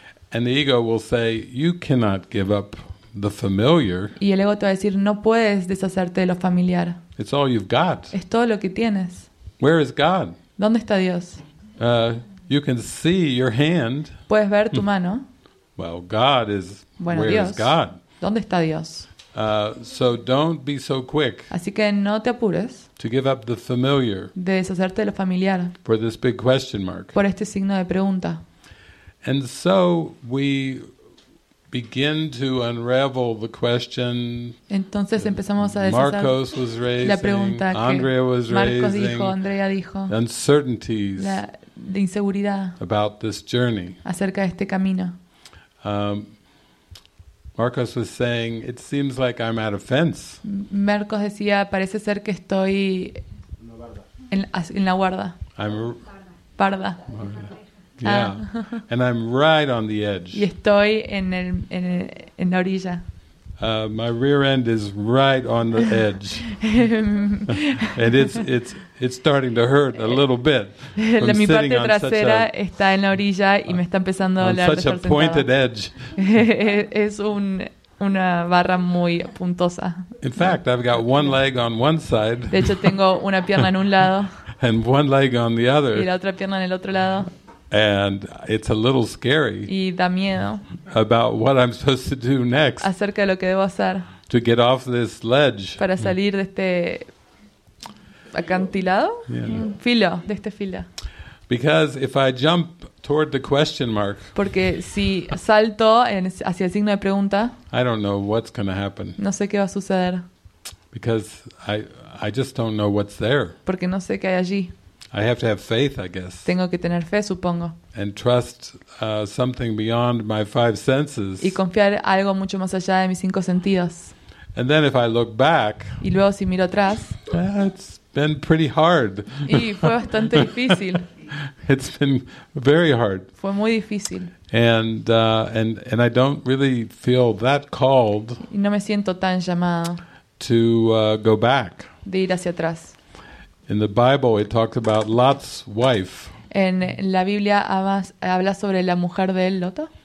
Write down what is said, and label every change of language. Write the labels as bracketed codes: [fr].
[en] And the ego will say, "You cannot give up the familiar." [es] Y el ego te va a decir, "No puedes deshacerte de lo familiar." [en] It's all you've got. [es] Es todo lo que tienes. [en] Where is God? [es] ¿Dónde está Dios? [en] You can see your hand. [es] Puedes ver tu mano. [en] Well, God is. [es] Bueno, [en] where [es] Dios. [en] Is God? [es] ¿Dónde está Dios? [en] So don't be so quick. [es] Así que no te apures. [en] To give up the familiar. [es] De deshacerte de lo familiar. [en] For this big question mark. [es] Por este signo de pregunta. [en] And so we begin to unravel the question. [es] Entonces empezamos a deshacer. [en] Marcos was raising. [es] La pregunta que [en] Andrea was Marcos raising. [es] Dijo, Andrea dijo. [en] Uncertainties. [es] La de inseguridad. [en] About this journey. [es] Acerca de este camino. [en] Marcos was saying, "It seems like I'm at a fence." [es] Marcos decía, parece ser que estoy en la guarda. [en] I'm [es] parda. [en] Yeah, and I'm right on the edge. [es] Y estoy en la orilla. [en] My rear end is right on the edge, and it's starting to hurt a little bit. [es] Mi parte trasera está en la orilla y me está empezando a doler. [en] Such a pointed edge. [es] Es una barra muy puntosa. [en] In fact, I've got one leg on one side. [es] De hecho, tengo una pierna en un lado. [en] And one leg on the other. [es] Y la otra pierna en el otro lado. [en] And it's a little scary. [es] Y da miedo. [en] About what I'm supposed to do next. [es] Acerca de lo que debo hacer. [en] To get off this ledge. [es] Para salir de este acantilado. [en] Yeah. [es] Filo, de este filo. [en] Because if I jump toward the question mark. [es] Porque si salto hacia el signo de pregunta. [en] I don't know what's going to happen. [es] No sé qué va a suceder. [en] Because I just don't know what's there. [es] Porque no sé qué hay allí. [en] I have to have faith, I guess. [es] Tengo que tener fe, supongo. [en] And trust something beyond my five senses. [es] Y confiar algo mucho más allá de mis cinco sentidos. [en] And then if I look back. [es] Y luego si miro atrás. [en] It's been pretty hard. [es] Y fue bastante difícil. [en] It's been very hard. [es] Fue muy difícil. [en] And I don't really feel that called. [es] Y no me siento tan llamado. [en] To go back. [es] De ir hacia atrás. [en] In the Bible, it talks about Lot's wife. [es] En la Biblia habla sobre la mujer de Lot.